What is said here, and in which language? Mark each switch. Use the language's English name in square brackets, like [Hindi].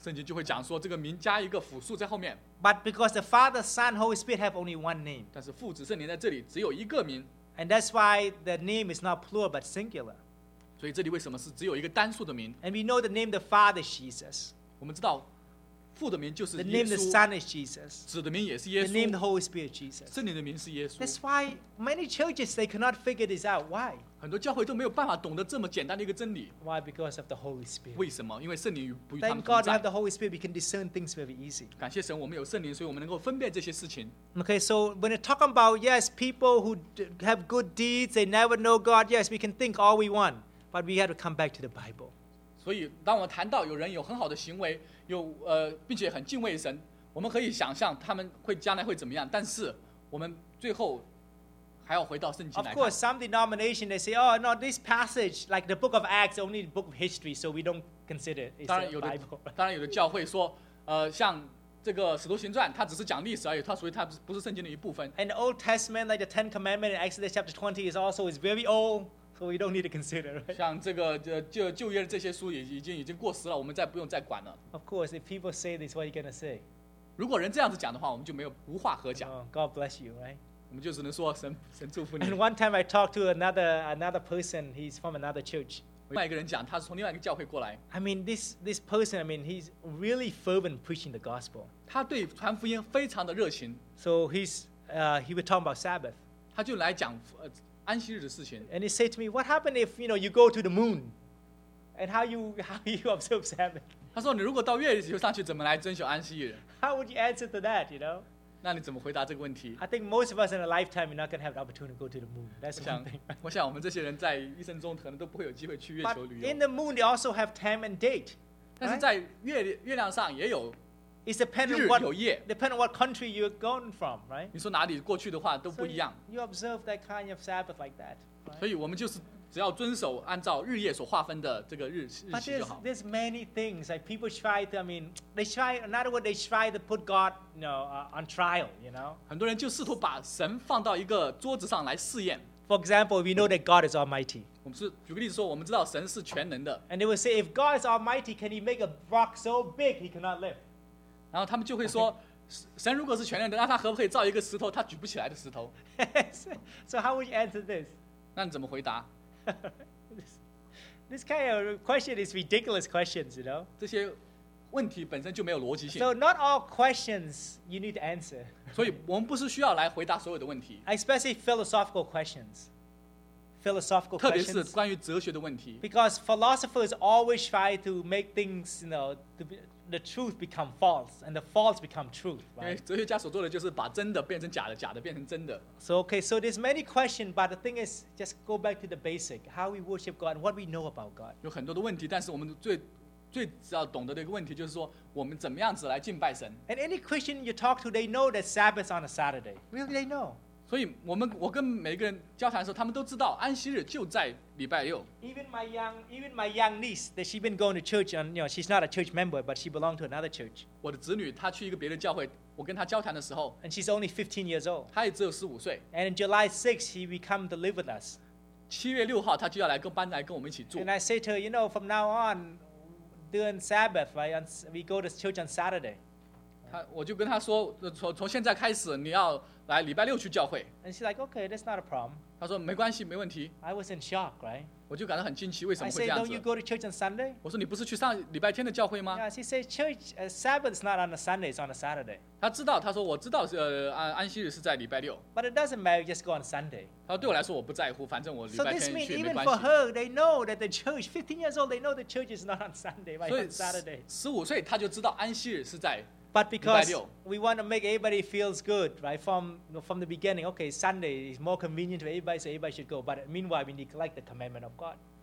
[Chinese] 圣经就会讲说这个名加一个复数在后面。 [English] But because the Father, Son, Holy Spirit have only one name. [Chinese] 但是父子圣灵在这里只有一个名。 [English] And that's why the name is not plural but singular. [Chinese] 所以这里为什么是只有一个单数的名 [English] ？And we know the name the Father is Jesus. [Chinese] 我们知道父的名就是耶稣。 [English] The name the Son is Jesus. [Chinese] 子的名也是耶稣。 [English] The name the Holy Spirit Jesus. [Chinese] 圣灵的名是耶稣。 [English] That's why many churches they cannot figure this out. Why? [Chinese] 很多教会都没有办法懂得这么简单的一个真理。 [English] Why? Because of the Holy Spirit. [Chinese] 为什么？因为圣灵与他们同在。 [English] Thank God we have the Holy Spirit. We can discern things very easy. [Chinese] 感谢神，我们有圣灵，所以我们能够分辨这些事情。 [English] Okay, so when we're talking about yes, people who have good deeds, they never know God. Yes, we can think all we want, but we have to come back to the Bible. [Chinese] 所以当我们谈到有人有很好的行为，有并且很敬畏神，我们可以想象他们会将来会怎么样，但是我们最后还要回到圣经来看。 [English] Of course, some denomination they say, oh, no, this passage, like the book of Acts, only the book of history, so we don't consider it. [Chinese] 当然有的教会说，像这个《使徒行传》，它只是讲历史而已，它属于它不是圣经的一部分。 [English] And the Old Testament, like the Ten Commandments in Exodus chapter 20, is also very old, so we don't need to consider it. [Chinese] 像这个旧约的这些书已经过时了，我们再不用再管了。 [English] Of course, if people say this, what are you going to say? [Chinese] 如果人这样子讲的话，我们就没有无话可讲。 [English] God bless you, right? [Chinese] 我们就只能说神祝福你。 [English] And one time I talked to another person. He's from another church. [Chinese] 另外一个人讲，他是从另外一个教会过来。 [English] I mean, this person, I mean, he's really fervent preaching the gospel. [Chinese] 他对传福音非常的热情。 [English] So he was talking about Sabbath. [Chinese] 他就来讲安息日的事情。 [English] And he said to me, "What happened if you know you go to the moon, and how you observe Sabbath?" [Chinese] 他说你如果到月球上去，怎么来遵守安息日 [English] ？How would you answer to that? You know. [Chinese] 那你怎么回答这个问题 [English] ？I think most of us in a lifetime are not going to have the opportunity to go to the moon. That's one thing. [Chinese] 我想我们这些人在一生中可能都不会有机会去月球旅游。 [English] But in the moon, they also have time and date. [Chinese] 但是在月亮上也有日有夜。 [English] Depend on what country you're going from, right? [Chinese] 你说哪里过去的话都不一样。 [English] So you observe that kind of Sabbath like that.、Right? [Chinese] 所以我们就是只要遵守按照日夜所划分的这个日期就好。 [English] But there's many things like people try to, I mean, they try, in other words, they try to put God, you know, on trial, you know. [Chinese] 很多人就试图把神放到一个桌子上来试验。 [English] For example, we know that God is almighty. [Chinese] 我们是举个例子说，我们知道神是全能的。 [English] And they will say, if God is almighty, can he make a rock so big he cannot lift? [Chinese] 然后他们就会说。神如果是全能的，那他可不可以造一个石头他举不起来的石头？ [English] So how would you answer this? [Chinese] 那你怎么回答？ [English] This kind of question is ridiculous questions, you know. [Chinese] 这些问题本身就没有逻辑性。 [English] So not all questions you need to answer. [Chinese] 所以我们不是需要来回答所有的问题。 [English] Especially philosophical questions. Philosophical questions. [Chinese] 特别是关于哲学的问题。 [English] Because philosophers always try to make things, you know, the truth become false and the false become truth. [Chinese] 因为哲学家所做的就是把真的变成假的，假的变成真的。 [English] So okay, so there's many questions, but the thing is, just go back to the basic: how we worship God and what we know about God. [Chinese] 有很多的问题，但是我们最要懂得的一个问题就是说，我们怎么样子来敬拜神。 [English] And any Christian you talk to, they know that Sabbath on a Saturday. Really, they know. [Chinese] 所以我跟每个人交谈的时候，他们都知道安息日就在礼拜六。 [English] Even my young niece, that she's been going to church, and you know, she's not a church member, but she belonged to another church. [Chinese] 我的侄女她去一个别的教会，我跟她交谈的时候。 [English] And she's only 15 years old. [Chinese] 她也只有15岁。 [English] And on July 6th, she will come to live with us. [Chinese] 七月六号，她就要搬来跟我们一起住。 [English] And I say to her, you know, from now on, during Sabbath, right, we go to church on Saturday. [Chinese] 我就跟他说，从现在开始你要来礼拜六去教会。 [English] And she's like, okay, that's not a problem. [Chinese] 他说没关系，没问题。 [English] I was in shock, right? [Chinese] 我就感到很惊奇，为什么会这样子？ [English] I say, don't you go to church on Sunday? [Chinese] 我说你不是去上礼拜天的教会吗？ [English] Yeah, she said, church, Sabbath is not on a Sunday, it's on a Saturday. [Chinese] 他知道，他说我知道，安息日是在礼拜六。 [English] But it doesn't matter, just go on Sunday. [Chinese] 他说对我来说我不在乎，反正我礼拜天去没关系。 [English] So this means even for her, they know that the church, 15 years old, they know the church is not on Sunday, but on Saturday. [Chinese] 15岁他就知道安息日是在。 [English] But because we want to make everybody feels good, right? From the beginning, okay, Sunday is more convenient to everybody, so everybody should go. But meanwhile, we neglect the commandment of God.